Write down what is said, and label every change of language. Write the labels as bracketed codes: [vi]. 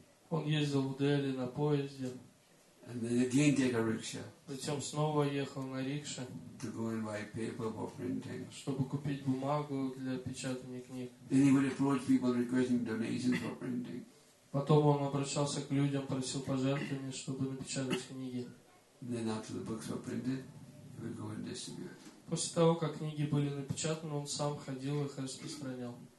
[ru] Он ездил в Дели на поезде. [en] And then again take a rickshaw. [ru] Затем снова ехал на рикше. [en] To go and buy paper for printing. [ru] Чтобы купить бумагу для печатания книг. [en] Then he would approach people requesting donations for printing. [ru] Потом он обращался к людям, просил пожертвования, чтобы напечатать книги. [en] Then after the books were printed, he would go and distribute. [ru] После того, как книги были напечатаны, он сам ходил их распространял.